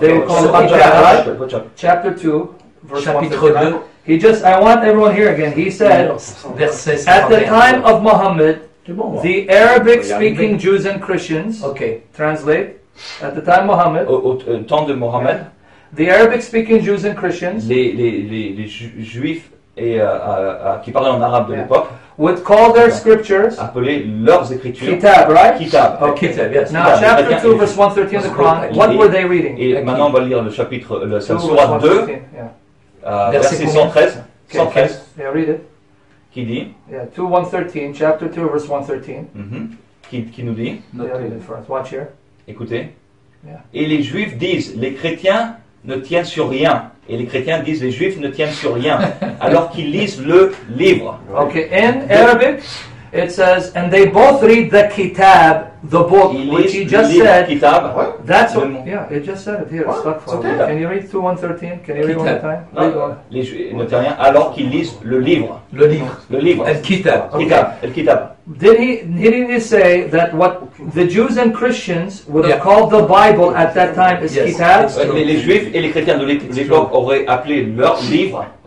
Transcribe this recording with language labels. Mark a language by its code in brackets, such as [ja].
[en] They would call it Kitab, right? Chapter 2, verse 132. He just, I want everyone here again. He said, at the time of Muhammad, the Arabic speaking Jews and Christians, translate, at the time of Muhammad, [fr] temps de Muhammad, [en] the Arabic speaking Jews and Christians, [fr] les juifs qui parlaient en arabe de l'époque, [en] would call their scriptures [fr] appeler leurs écritures [en] Kitab, right? Kitab. Okay. Kitab, yes. Now, chapter 2, verse 113 of the Quran, what were they reading? [fr] Et maintenant, on va lire le chapitre, le surat 2, verset 113, [en] yeah, read it. [fr] Qui dit? [en] Yeah, 2, 113, chapter 2, verse 113. [fr] Mm-hmm. Qui nous dit? [en] Yeah, read it for us. Watch here. [fr] Écoutez. [en] Yeah. [fr] Et les juifs disent, les chrétiens ne tiennent sur rien. Et les chrétiens disent, les juifs ne tiennent sur rien, alors qu'ils lisent le livre. [en] Okay, in Arabic, it says, and they both read the Kitab, the book, which he just [fr] livre, [en] said. Kitab. What? That's what, yeah, it just said it here. Stop for okay. Can you read 2, 113? Can you read Kitab one more time? [fr] Non, les juifs ne tiennent rien, alors qu'ils lisent le livre. Le livre. Le livre. [ar] El Kitab. [en] Okay. Kitab. El Kitab. Didn't he say that what the Jews and Christians would have called the Bible at that time is Kitab? [fr] Les Juifs et les chrétiens de l'époque auraient appelé leur livre,